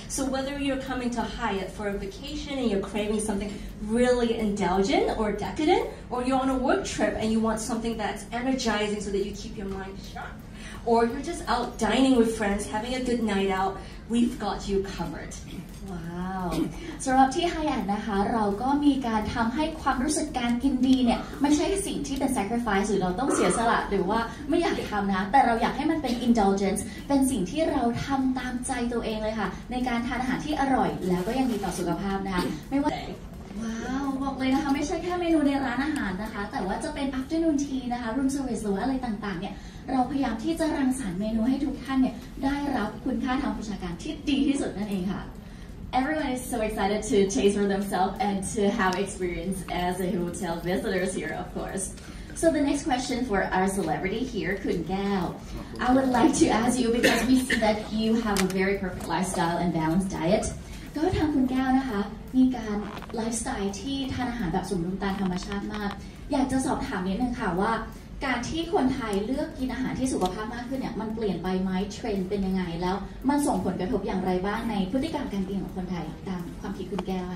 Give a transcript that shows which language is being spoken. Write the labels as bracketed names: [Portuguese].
[English] So whether you're coming to Hyatt for a vacation and you're craving something really indulgent or decadent, or you're on a work trip and you want something that's energizing so that you keep your mind sharp, or you're just out dining with friends, having a good night out, we've got you covered. Wow. [Thai] สำหรับที่ Hyatt นะคะเราก็มีการทำให้ความรู้สึกการกินดีเนี่ยไม่ใช่สิ่งที่เป็น sacrifice หรือเราต้องเสียสละหรือว่าไม่อยากทำนะแต่เราอยากให้มันเป็น indulgence เป็นสิ่งที่เราทำตามใจตัวเองเลยค่ะในการทานอาหารที่อร่อยแล้วก็ยังดีต่อสุขภาพนะคะไม่ว่า บอกเลยนะคะไม่ใช่แค่เมนูในร้านอาหารนะคะแต่ว่าจะเป็น afternoon tea นะคะ room service หรือว่าอะไรต่างๆเนี่ยเราพยายามที่จะรังสรรค์เมนูให้ทุกท่านเนี่ยได้รับคุณค่าทางโภชนาการที่ดีที่สุดนั่นเองค่ะ [English] Everyone is so excited to taste for themselves and to have experience as a hotel visitors here, of course. So the next question for our celebrity here, Khun Gao. I would like to ask you, because we see that you have a very perfect lifestyle and balanced diet. [Thai] ก็ทางคุณแก้วนะคะมีการไลฟ์สไตล์ที่ทานอาหารแบบสมดุลตามธรรมชาติมากอยากจะสอบถามนิดนึงค่ะว่าการที่คนไทยเลือกกินอาหารที่สุขภาพมากขึ้นเนี่ยมันเปลี่ยนไปไหมเทรนด์เป็นยังไงแล้วมันส่งผลกระทบอย่างไรบ้างในพฤติกรรมการกินของคนไทยตามความคิดคุณแก้วค